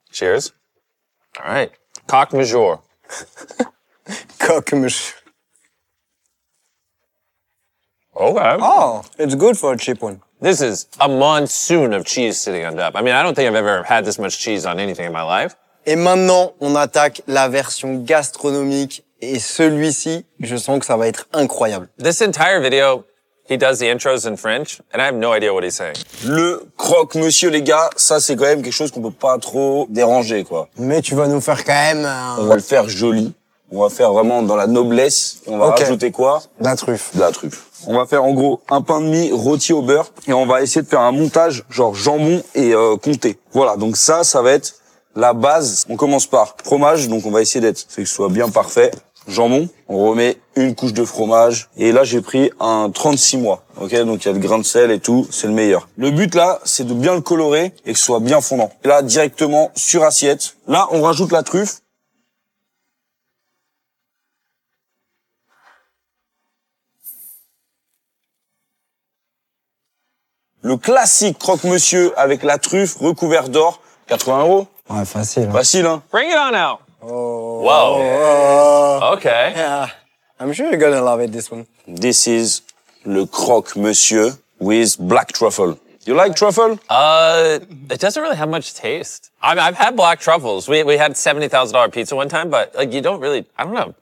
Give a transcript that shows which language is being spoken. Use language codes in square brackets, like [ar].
[en] Cheers. All right. Coq majeur. [fr] Coq majeur. [en] Okay. Oh, it's good for a cheap one. This is a monsoon of cheese sitting on top. I mean, I don't think I've ever had this much cheese on anything in my life. [fr] Et maintenant, on attaque la version gastronomique. Et celui-ci, je sens que ça va être incroyable. [en] This entire video, he does the intros in French, and I have no idea what he's saying. [fr] Le croque-monsieur, les gars, ça, c'est quand même quelque chose qu'on peut pas trop déranger, quoi. Mais tu vas nous faire quand même... On va le faire joli. On va faire vraiment dans la noblesse. On va rajouter quoi? La truffe. La truffe. On va faire en gros un pain de mie rôti au beurre et on va essayer de faire un montage genre jambon et comté. Voilà, donc ça va être la base. On commence par fromage, donc on va essayer d'être fait que ce soit bien parfait. Jambon, on remet une couche de fromage et là j'ai pris un 36 mois. OK, donc il y a le grain de sel et tout, c'est le meilleur. Le but là, c'est de bien le colorer et que ce soit bien fondant. Et là directement sur assiette. Là, on rajoute la truffe. Le classique croque-monsieur avec la truffe recouverte d'or, 80 euros. Ouais, facile. Hein. Facile, hein. [en] Bring it on out. Oh. Wow. Yeah. Okay. Yeah. I'm sure you're gonna love it, this one. This is le croque-monsieur with black truffle. You like truffle? It doesn't really have much taste. I've had black truffles. We had $70,000 pizza one time, but like you don't really, I don't know.